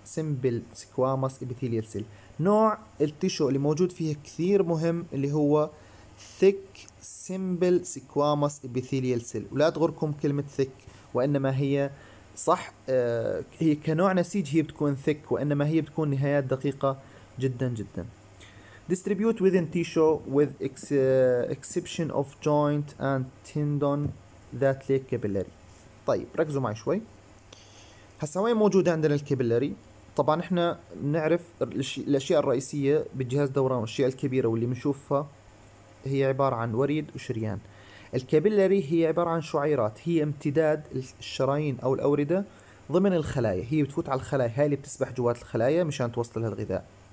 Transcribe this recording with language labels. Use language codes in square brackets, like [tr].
[en] Simple squamous epithelial cell. [ar] نوع التشو اللي موجود فيه كثير مهم اللي هو thick simple squamous epithelial cell. ولا تغركم كلمة thick، وإنما هي صح هي كنوع نسيج هي بتكون thick، وإنما هي بتكون نهايات دقيقة جدا جدا. [en] Distribute within tissue with exception of joint and tendon that lack capillary. [ar] طيب ركزوا معي شوي. هسا وين موجودة عندنا الكابيلاري؟ طبعا احنا نعرف الاشياء الرئيسية بالجهاز دوران، الاشياء الكبيرة واللي بنشوفها هي عبارة عن وريد وشريان. الكابيلاري هي عبارة عن شعيرات، هي امتداد الشرايين او الاوردة ضمن الخلايا، هي بتفوت على الخلايا، هاي اللي بتسبح جوات الخلايا مشان توصل لها الغذاء.